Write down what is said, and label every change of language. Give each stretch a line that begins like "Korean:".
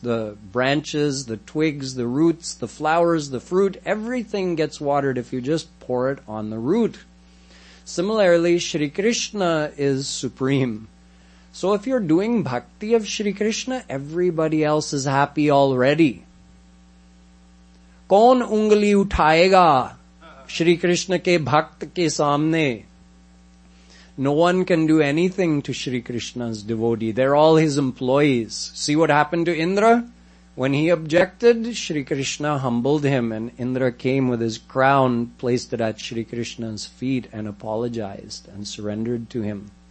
English: The branches, the twigs, the roots, the flowers, the fruit, everything gets watered if you just pour it on the root. Similarly, Shri Krishna is supreme. So if you're doing bhakti of Shri Krishna, everybody else is happy already.
Hindi: कौन उंगली उठाएगा श्री कृष्ण के भक्त के सामने?
English: No one can do anything to Shri Krishna's devotee. They're all his employees. See what happened to Indra? When he objected, Shri Krishna humbled him and Indra came with his crown, placed it at Shri Krishna's feet and apologized and surrendered to him.